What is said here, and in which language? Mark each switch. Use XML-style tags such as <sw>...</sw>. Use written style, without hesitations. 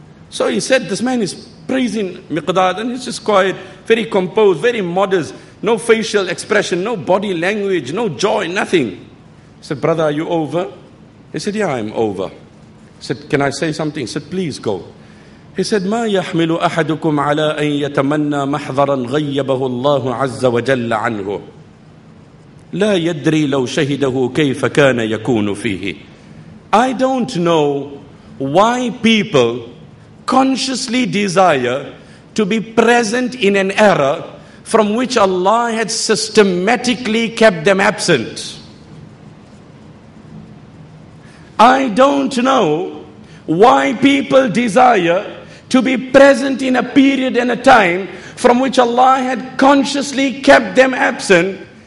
<en>So he said, this man is praising Miqdad and he's just quiet, very composed, very modest. No facial expression, no body language, no joy, nothing. He said, brother, are you over? He said, yeah, I'm over. said, can I say something? He said, please go. He said,</en> <ar>ما يحمل أحدكم على أن يتمنى محضرا غيبه الله عز وجل عنه لا يدري لو شهده كيف كان يكون فيه.</ar> <en>I don't know why people consciously desire to be present in an era from which Allah had systematically kept them absent. I don't know why people desire to be present in a period and a time from which Allah had consciously kept them absent.</en>